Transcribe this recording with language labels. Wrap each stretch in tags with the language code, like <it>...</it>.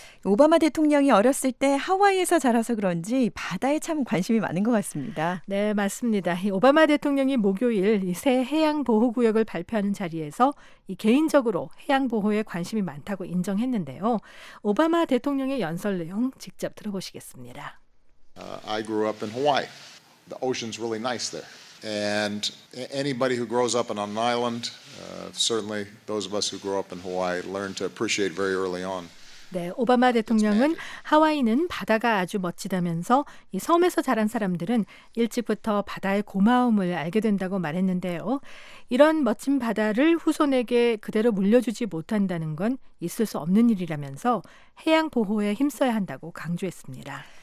<ko>오바마 대통령이 어렸을 때 하와이에서 자라서 그런지 바다에 참 관심이 많은 것 같습니다. 네, 맞습니다. 오바마 대통령이 목요일 새 해양보호구역을 발표하는 자리에서 개인적으로 해양보호에 관심이 많다고 인정했는데요. 오바마 대통령의 연설 내용 직접 들어보시겠습니다.</ko> <en>I grew up in Hawaii. The ocean's really nice there. And anybody who grows up on an island, certainly those of us who grow up in Hawaii learn to appreciate very early on.</en> <ko>네, 오바마 대통령은 하와이는 바다가 아주 멋지다면서 이 섬에서 자란 사람들은 일찍부터 바다의 고마움을 알게 된다고 말했는데요. 이런 멋진 바다를 후손에게 그대로 물려주지 못한다는 건 있을 수 없는 일이라면서 해양 보호에 힘써야 한다고 강조했습니다.</ko>